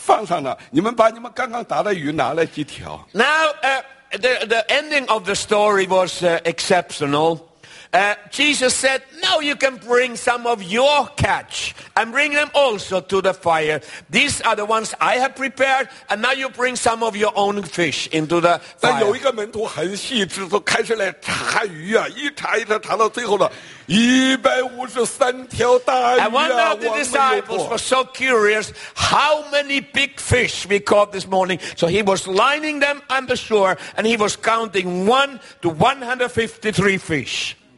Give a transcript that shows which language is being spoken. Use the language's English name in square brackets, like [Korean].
[Chinese] 故事刚刚我们读到最后，耶稣说：“好，你们吃这个鱼是已经放上了，你们把你们刚刚打的鱼拿来几条。” [English] Now, the ending of the story was exceptional. Jesus said, now you can bring some of your catch and bring them also to the fire. These are the ones I have prepared, and now you bring some of your own fish into the fire. [Chinese] 但有一个门徒很细致，就开始来查鱼啊，一查一查，查到最后了，153条大鱼啊。 [English] And one of the disciples was so curious, how many big fish we caught this morning. So he was lining them on the shore, and he was counting 1 to 153 fish.